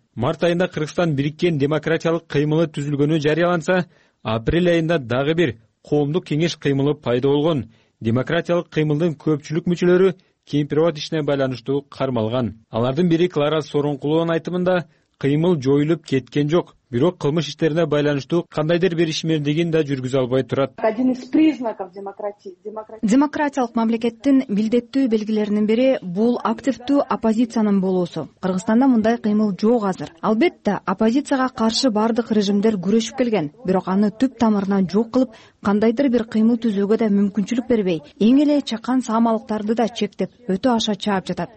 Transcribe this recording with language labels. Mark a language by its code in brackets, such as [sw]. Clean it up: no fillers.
[ky] Март айында Кыргызстан бириккен демократиялык кыймылы түзүлгөнү жарыяланса, апрель айында дагы бир коомдук кеңеш кыймылы пайда болгон. Демократиялык кыймылдын көпчүлүк мүчөлөрү кемпировод ишине байланыштуу кармалган. Алардын бири Клара Сорункулованын айтымында кыймыл жоюлуп кеткен жок. Бирок кылмыш иштерине байланыштуу кандайдыр бир ишмердигин да жүргүзө албай турат. [ru] Один из признаков демократии. [ky] Демократиялык мамлекеттин милдеттүү белгилеринин бири бул активдүү оппозициянын болуусу. Кыргызстанда мындай кыймыл жок азыр. Албетте, оппозицияга каршы бардык режимдер күрөшүп келген, бирок аны түп тамырынан жок кылып, кандайдыр бир кыймыл түзүүгө да мүмкүнчүлүк бербей, эң эле чакан саамалыктарды да чектеп, өтө аша чаап жатат.